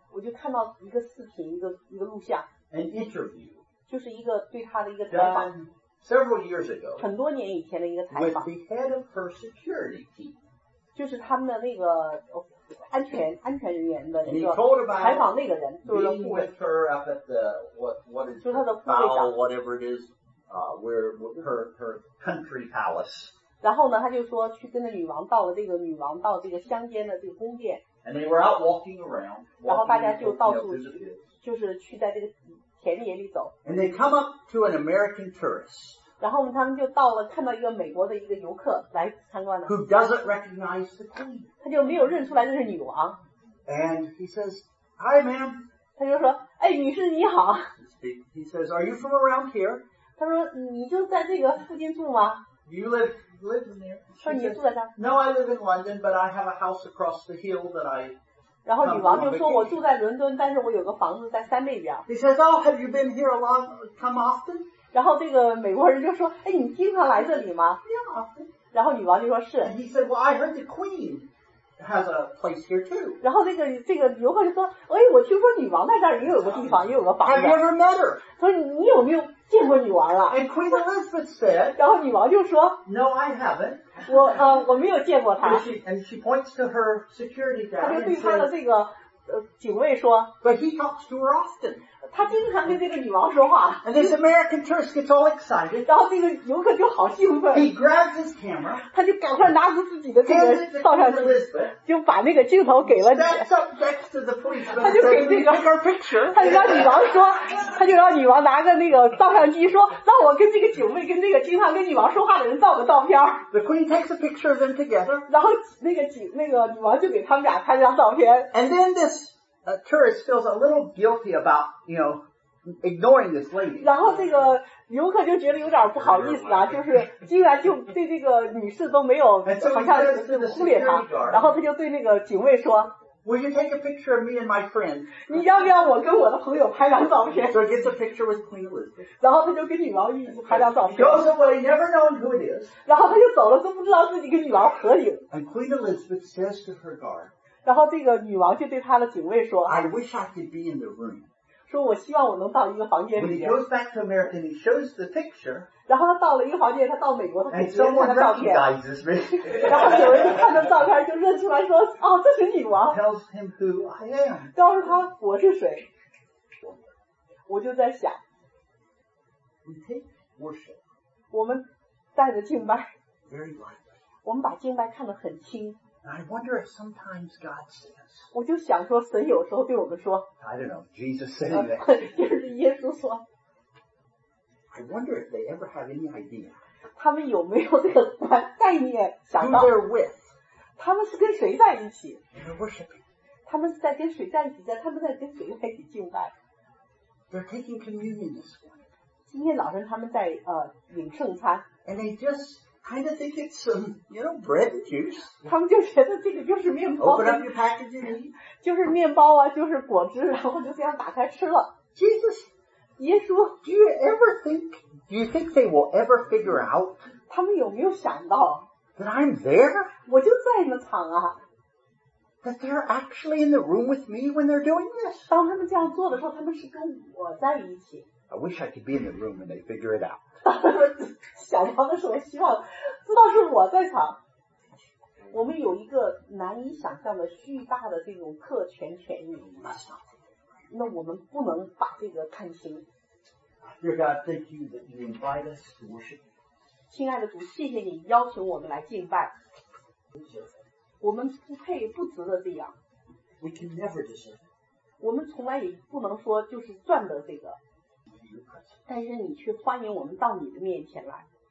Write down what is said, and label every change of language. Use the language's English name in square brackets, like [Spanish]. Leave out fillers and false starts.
[Chinese] 我就看到一个视频一个录像 [English] An interview [Chinese] 就是一个对他的一个采访 [English] several years ago, [Chinese] 很多年以前的一个采访 [English] with the head of her security team, [Chinese] 就是他们的那个安全人员的一个采访那个人就是 [English] being with her up at the, what is [Chinese] 就他的副会长 [English] whatever it is, where her country palace. [Chinese] 然后呢他就说去跟着女王到了这个女王到这个乡间的这个宫殿 [English] and they were out walking around, [Chinese] 然后大家就到处就是去在这个田野里走 [English] and they come up to an American tourist [Chinese] 然后他们就到了看到一个美国的一个游客来参观了 [English] who doesn't recognize the queen [Chinese] 他就没有认出来这是女王 [English] and he says hi ma'am [Chinese] 他就说哎女士你好 [English] he says are you from around here [Chinese] 他说你就在这个附近住吗 [English] you live in there [Chinese] 说你住在这 [English] no I live in London but I have a house across the hill that I [Chinese] 然后女王就说我住在伦敦但是我有个房子在山那边 [English] He says, oh, have you been here a long time often? [Chinese] 然后这个美国人就说哎，你经常来这里吗 [English] Yeah. [Chinese] 然后女王就说是 [English] And he said, well, I heard the queen has a place here too. [Chinese] 然后这个游客就说哎，我听说女王在这儿也有个地方也有个房子 [English] Have you ever met her? [Chinese] 他说你有没有见过女王了 [English] And Queen Elizabeth said, [Chinese] 然后女王就说 [English] No, I haven't. [Chinese] 我没有见过她。 [English] And she points to her security guard. [Chinese] 她就对她的这个警卫说 [English] But he talks to her often. [Chinese] 他经常跟这个女王说话 [English] And this American tourist gets all excited. [Chinese] 然后这个游客就好兴奋 [English] He grabs his camera. [Chinese] 他就赶快拿出自己的这个照相机就把那个镜头给了你 [English] Steps up next to the police. [Chinese] 他就给这个 [English] take our picture. [Chinese] 他就让女王说他就让女王拿个那个照相机说让我跟这个警卫跟这个经常跟女王说话的人照个照片 [English] The queen takes a picture of them together. [Chinese] 然后那个女王就给他们俩拍张照片 [English] And then thisA tourist feels a little guilty about, you know, ignoring this lady. [Chinese] 然后这个游客就觉得有点不好意思啊，就是竟然就对这个女士都没有，好像忽略她。然后他就对那个警卫说 [English] ，Will you take a picture of me and my friend? [Chinese] 你要不要我跟我的朋友拍张照片 [English] ？So gets a picture with Queen Elizabeth. [Chinese] 然后他就跟女王一起拍张照片。 [English] Goes away, never knowing who it is. [Chinese] 然后他就走了，都不知道自己跟女王合影。 [English] And Queen Elizabeth says to her guard. [Chinese] 然后这个女王就对她的警卫说 [English] I wish I could be in the room. [Chinese] 说我希望我能到一个房间里面。 [English] When he goes back to America and he shows the picture, [Chinese] 然后他到了一个房间他到美国他给别人看的照片。 [English] And someone recognizes me. [Chinese] 然后有人就看到照片就认出来说哦这是女王。 [English] Tells him who I am. [Chinese] 告诉他我是谁。我就在想 [English] We take worship. [Chinese] 我们带着敬拜。 [English] Very lightly. [Chinese] 我们把敬拜看得很轻。 [English] I wonder if sometimes God says. [Chinese] 我就想说，神有时候对我们说。 [English] I don't know. Jesus said that. [Chinese] 就是耶稣说。 [English] I wonder if they ever have any idea. [Chinese] 他们有没有这个概念？想到。 [English] Who they're with. [Chinese] 他们是跟谁在一起 [English] ？They're worshiping. [Chinese] 他们是在跟谁在一起？在他们在跟谁在一起敬拜 [English] ？They're taking communion this morning. [Chinese] 今天早晨他们在领圣餐。 [English] And they just. Kind of think it's some, you know, bread and juice. [Chinese] 他们就觉得这个就是面包。 [English] Open up your package and eat. [Chinese] 就是面包啊，就是果汁，然后就这样打开吃了。 [English] Jesus, [Chinese] 耶稣 [English] ，Do you ever think? Do you think they will ever figure out? [Chinese] 他们有没有想到 [English] that I'm there? [Chinese] 我就在那场啊。 [English] That they're actually in the room with me when they're doing this. [Chinese] 当他们这样做的时候，他们是跟我在一起。 [English] I wish I could be in the room when they figure it out. [Chinese] 想到的时候希望知道是我在场。我们有一个难以想象的巨大的这种特权权益。那我们不能把这个看清。 [English] Dear God, thank you that you invite us to worship. [Chinese] 亲爱的主，谢谢你邀请我们来敬拜。我们不配不值得这样。 [English] We can never deserve. [Chinese] 我们从来也不能说就是赚得这个。但是你却欢迎我们到你的面前来。